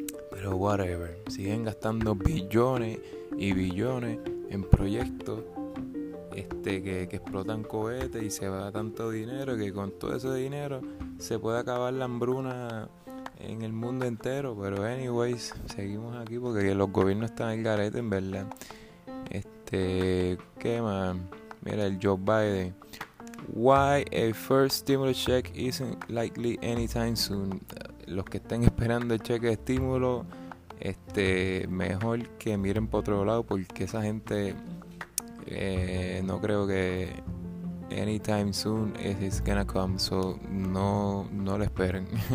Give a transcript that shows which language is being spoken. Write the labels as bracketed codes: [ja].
[es] Pero whatever, siguen gastando billones y billones en proyectos que explotan cohetes y se va tanto dinero que con todo ese dinero se puede acabar la hambruna en el mundo entero. Pero anyways, seguimos aquí porque los gobiernos están en el garete, en verdad. ¿Qué más? Mira, el Joe Biden. [en] Why a first stimulus check isn't likely anytime soon. [es] Los que estén esperando el cheque de estímulo, mejor que miren por otro lado, porque esa gente no creo que [en] anytime soon it's gonna come, [es] so no lo esperen.